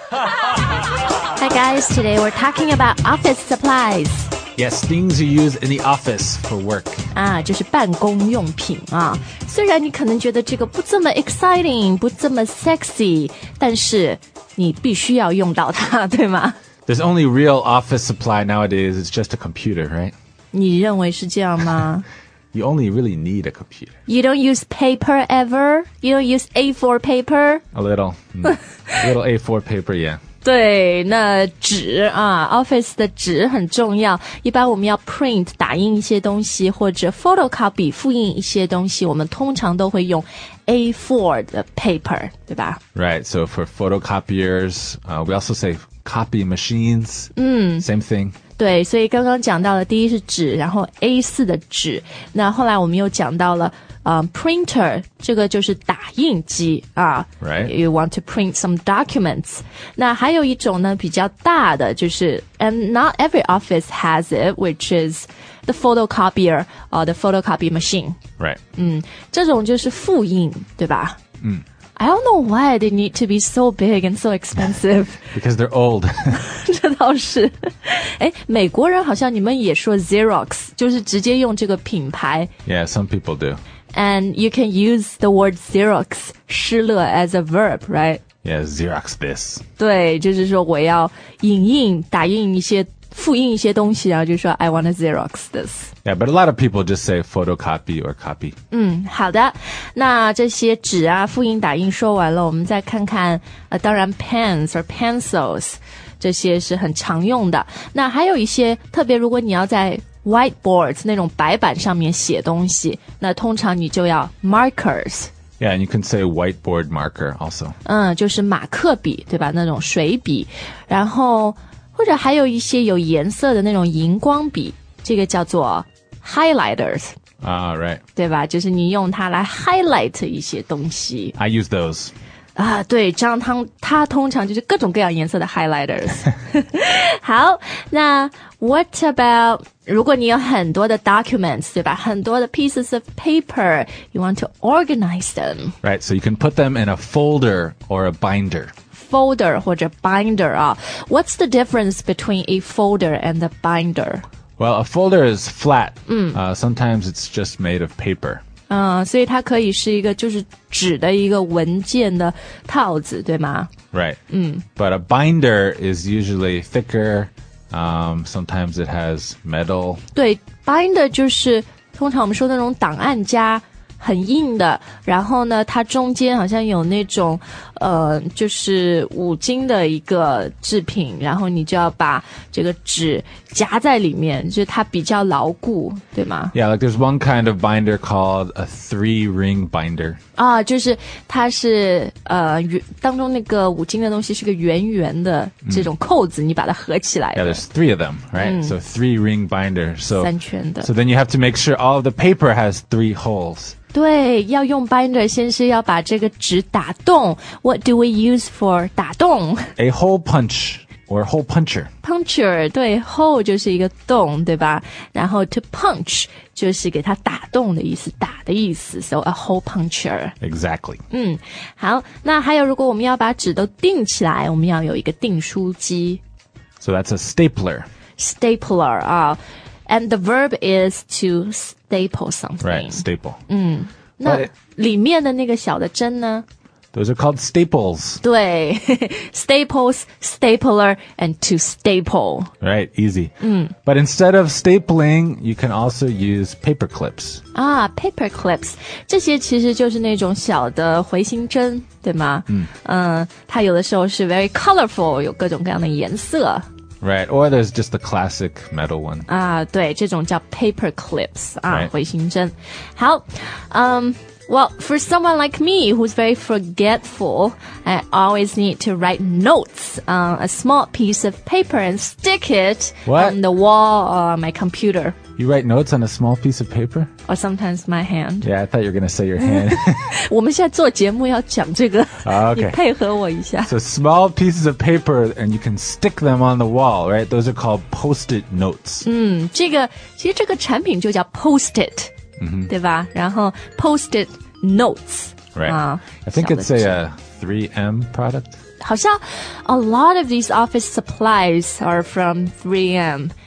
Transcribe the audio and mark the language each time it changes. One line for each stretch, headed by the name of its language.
English: Hi guys, today we're talking about office supplies. Yes, things you use in the office for work.
Chinese: 啊，就是办公用品啊。虽然你可能觉得这个不这么 exciting, 不这么 sexy, 但是你必须要用到它，对吗？
English: There's only real office supply nowadays, it's just a computer, right?
Chinese: 你认为是这样吗?
English: You only really need a computer. You don't use paper ever? You don't use A4 paper? A little. A little A4 paper, yeah.
Chinese: 对,那纸啊 ,office 的纸很重要。一般我们要 print, 打印一些东西或者 photocopy, 复印一些东西我们通常都会用 A4 的 paper, 对吧?
English: Right, so for photocopiers, we also say copy machines, same thing.
Chinese: 对，所以刚刚讲到了第一是纸，然后 A4 的纸，那后来我们又讲到了printer, 这个就是打印机啊。
English: Right. You want to print some documents.
Chinese: 那还有一种呢比较大的就是
English: and not every office has it, which is the photocopier, or the photocopy machine. Right.
Chinese: 这种就是复印对吧
English: I don't know why they need to be so big and so expensive. Because they're old.
Chinese: 这倒是。诶，美国人好像你们也说 Xerox, 就是直接用这个品牌。
English: Yeah, some people do. And you can use the word Xerox, 失乐 as a verb, right? Yeah, Xerox this.
Chinese: 对，就是说我要影印、打印一些、复印一些东西，然后就说
English: I want to Xerox this. Yeah, but a lot of people just say photocopy or copy.
Chinese: 好的，那这些纸啊、复印、打印说完了，我们再看看，当然
English: pens or pencils
Chinese: 这些是很常用的。那还有一些特别，如果你要在 whiteboards 那种白板上面写东西，那通常你就要 markers.
English: Yeah, and you can say whiteboard marker also.
Chinese: 就是马克笔对吧那种水笔。然后或者还有一些有颜色的那种荧光笔这个叫做 highlighters.
English: Right.
Chinese: 对吧就是你用它来 highlight 一些东西。
English: I use those.
Chinese: 对这样它通常就是各种各样颜色的 highlighters.
English: 好那 what about...
Chinese: 如果你有很多的 documents, 对吧? 很多的
English: pieces of paper, you want to organize them. Right, so you can put them in a folder or a binder. Folder 或者 binder 啊。 What's the difference between a folder and a binder? Well, a folder is flat. Sometimes it's just made of paper.
Chinese: 所以它可以是一个就是纸的一个文件的套子,对吗?
English: Right. But a binder is usually thicker,sometimes it has metal.
Chinese: 对 ,binder 就是通常我们说那种档案夹很硬的然后呢它中间好像有那种就是五金的一个制品然后你就要把这个纸夹在里面就是它比较牢固对吗
English: Yeah, like there's one kind of binder called a three-ring binder.
Chinese: 就是它是当中那个五金的东西是个圆圆的这种扣子你把它合起来。
English: Yeah, there's three of them, right? So three-ring binder. So,
Chinese: 三圈的。
English: So then you have to make sure all of the paper has three holes.
Chinese: 对要用 binder 先是要把这个纸打洞
English: What do we use for
Chinese: 打洞
English: A hole punch or hole puncher
Chinese: Puncher 对 hole 就是一个洞对吧然后 to punch 就是给它打洞的意思打的意思
English: So a hole puncher Exactly
Chinese: 好那还有如果我们要把纸都钉起来我们要有一个钉书机
English: So that's a stapler Stapler 啊、oh. And the verb is to staple something. Right, staple.
Chinese: 那里面的那个小的针呢?
English: Those are called staples. 对, staples, stapler, and to staple. Right, easy. But instead of stapling, you can also use paper clips. Paper clips.
Chinese: 这些其实就是那种小的回形针,对吗? 它有的时候是
English: very colorful,
Chinese: 有各种各样的颜色。
English: Right, or there's just the classic metal one.
Chinese: 对,这种叫 paper clips, 回形针。
English: Right. 好, well, for someone like me, who's very forgetful, I always need to write notes on a small piece of paper and stick it on the wall or my computer. You write notes on a small piece of paper? Or sometimes my hand. Yeah, I thought you were going to say your hand.
Chinese: 我们现在做节目要讲这个。
English: Okay.
Chinese: 你配合我一下。
English: So small pieces of paper, and you can stick them on the wall, right? Those are called post-it notes.
Chinese: 这个其实这个产品就叫 post-it. mm-hmm. 对吧然后 post-it notes
English: Right. I think it's a 3M product.
Chinese: 好像
English: a lot of these office supplies are from 3M.